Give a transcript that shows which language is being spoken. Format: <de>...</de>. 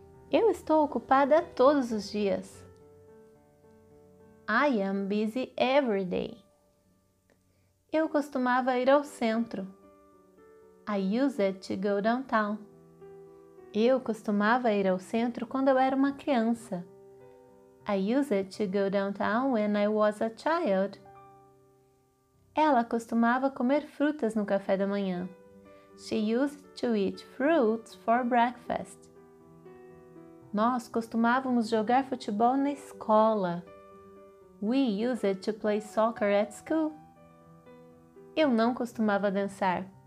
<pt>Eu estou ocupada todos os dias.</pt> <en>I am busy every day.</en> <pt>Eu costumava ir ao centro.</pt> <en>I used to go downtown.</en> <pt>Eu costumava ir ao centro quando eu era uma criança.</pt> <en>I used to go downtown when I was a child.</en> <pt>Ela costumava comer frutas no café da manhã.</pt> <en>She used to eat fruits for breakfast.</en> <pt>Nós costumávamos jogar futebol na escola.</pt> <en>We used to play soccer at school.</en> <pt>Eu não costumava dançar.</pt>